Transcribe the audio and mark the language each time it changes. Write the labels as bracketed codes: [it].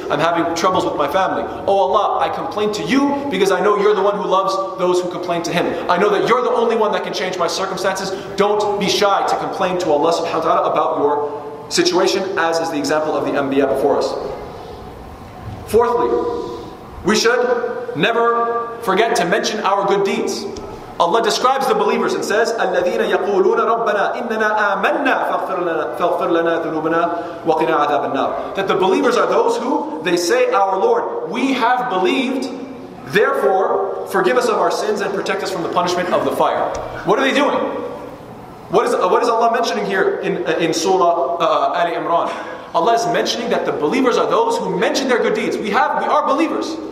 [en] I'm having troubles with my family. Oh Allah, I complain to you because I know you're the one who loves those who complain to him. I know that you're the only one that can change my circumstances. Don't be shy to complain to Allah subhanahu wa ta'ala about your situation, as is the example of the Anbiya before us. Fourthly, we should never forget to mention our good deeds. Allah describes the believers and says, [ar] الَّذِينَ يَقُولُونَ رَبَّنَا إِنَّنَا آمَنَّا فَغْفِرْ لَنَا ذُنُوبَنَا وَقِنَا عَذَابَ النَّارِ. [en] That the believers are those who, they say, our Lord, we have believed, therefore forgive us of our sins and protect us from the punishment of the fire. What are they doing? What is Allah mentioning here in Surah Ali Imran? Allah is mentioning that the believers are those who mention their good deeds. We are believers.